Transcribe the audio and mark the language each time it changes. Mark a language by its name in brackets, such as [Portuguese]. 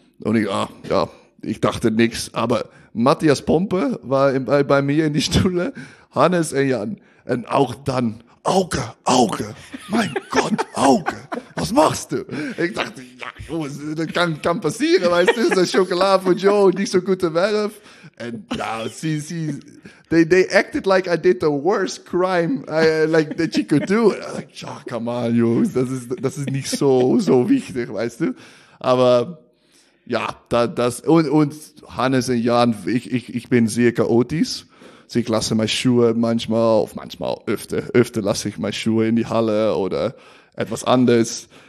[German] Und ich dachte nichts. Aber Matthias Pompe war bei mir in die Stuhle. Hannes und Jan. Und auch dann, Auge, Auge, mein Gott, Auge, was machst du? Ich dachte, ja, das kann passieren, weißt du, das Schokolade von Joe, nicht so gute Werf. [English] And now, sie, they acted like I did the worst crime, like that she could do. I was like, [German] ja, [English] come on, [German] Jungs, das ist nicht so wichtig, weißt du. Aber, ja, das, und Hannes und Jan, ich bin sehr chaotisch. Ich lasse meine Schuhe manchmal öfter lasse ich meine Schuhe in die Halle oder etwas anderes.